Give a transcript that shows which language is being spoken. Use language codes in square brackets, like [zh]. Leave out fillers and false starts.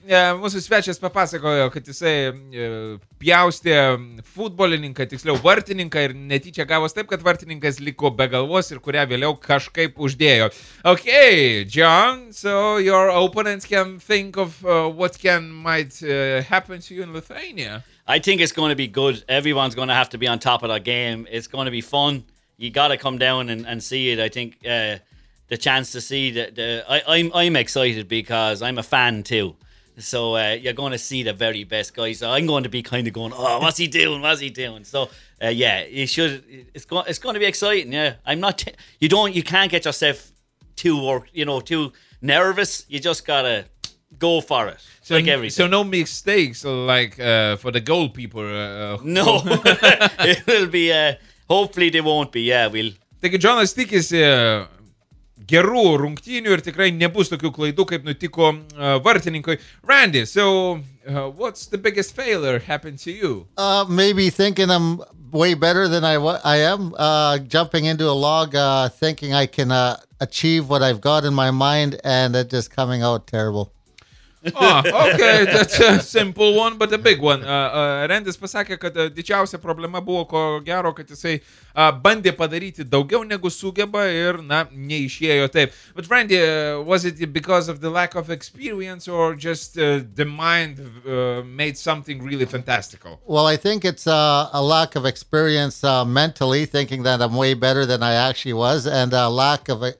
[lt] Mūsų svečias papasakojo, kad jisai pjaustė futbolininką, tiksliau vartininką, ir netyčia gavos taip, kad vartininkas liko be galvos ir kurią vėliau kažkaip uždėjo. [en] Okay, John, so your opponents can think of what can might happen to you in Lithuania. I think it's going to be good. Everyone's going to have to be on top of their game. It's going to be fun. You got to come down and see it. I think the chance to see I'm excited because I'm a fan too. So you're going to see the very best guys. So I'm going to be kind of going, oh, what's he doing? What's he doing? So yeah, you should. It's going to be exciting. Yeah, I'm not. You can't get yourself too worked. You know, too nervous. You just gotta go for it. So, like everything. So no mistakes like for the goal people. No, it will be. Hopefully they won't be, yeah, we'll... [lt] Taigi, Džonas tikisi gerų rungtynių ir tikrai nebus tokių klaidų, kaip nutiko vartininkui. [en] Randy, so what's the biggest failure happened to you? Maybe thinking I'm way better than I am. Jumping into a log, thinking I can achieve what I've got in my mind, and it just coming out terrible. Okay, that's a simple one, but a big one. [lt] Randis pasakė, kad didžiausia problema buvo ko gero, kad jisai bandė padaryti daugiau negu sugeba ir, na, neišėjo taip. [en] But Randy, was it because of the lack of experience or just the mind made something really fantastical? Well, I think it's a lack of experience mentally, thinking that I'm way better than I actually was, and a lack of...